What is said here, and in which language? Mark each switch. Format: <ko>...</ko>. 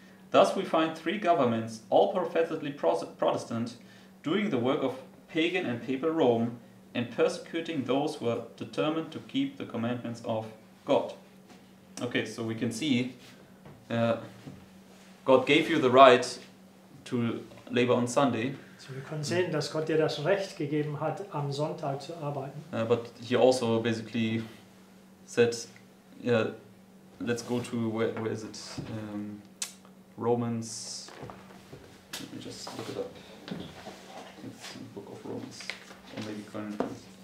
<en>Thus we find 3 governments, all professedly Protestant, doing the work of pagan and papal Rome and persecuting those who are determined to keep the commandments of God. Okay, so we can see God gave you the right to labor on Sunday.</en> <de>So wir können sehen, dass Gott dir das Recht gegeben hat, am Sonntag zu arbeiten.</de> <en>But he also basically said, let's go to, where is it? Romans, let me just look it up. It's the book of Romans, or maybe Corinthians.</en>